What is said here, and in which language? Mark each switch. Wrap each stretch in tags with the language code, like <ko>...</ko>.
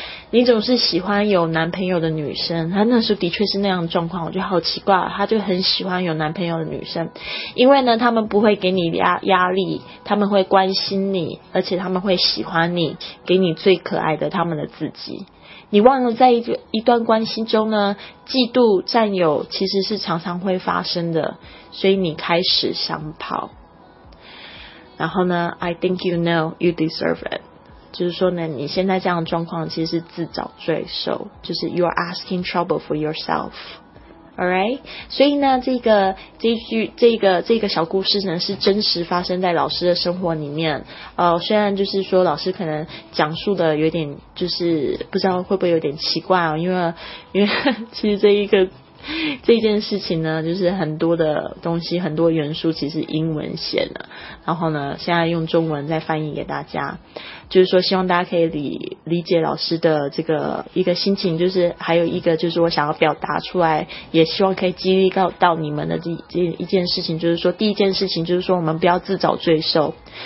<zh>你总是喜欢有男朋友的女生，他那时候的确是那样的状况，我觉得好奇怪，他就很喜欢有男朋友的女生，因为呢，他们不会给你压力，他们会关心你，而且他们会喜欢你，给你最可爱的他们的自己。你忘了在一段关系中呢，嫉妒、占有其实是常常会发生的，所以你开始想跑。然后呢</zh> <en>，I think you know you deserve it。</en> <zh>就是说呢，你现在这样的状况其实是自找罪受，就是</zh> <en>you are asking trouble for yourself, alright?</en> <zh>所以呢，这个小故事呢是真实发生在老师的生活里面。虽然就是说老师可能讲述的有点就是不知道会不会有点奇怪啊，因为其实这件事情呢，就是很多的东西，很多元素其实英文写的，然后呢，现在用中文再翻译给大家，就是说希望大家可以理解老师的这个一个心情，就是还有一个就是我想要表达出来，也希望可以激励到你们的这一件事情，就是说第一件事情就是说我们不要自找罪受。</zh>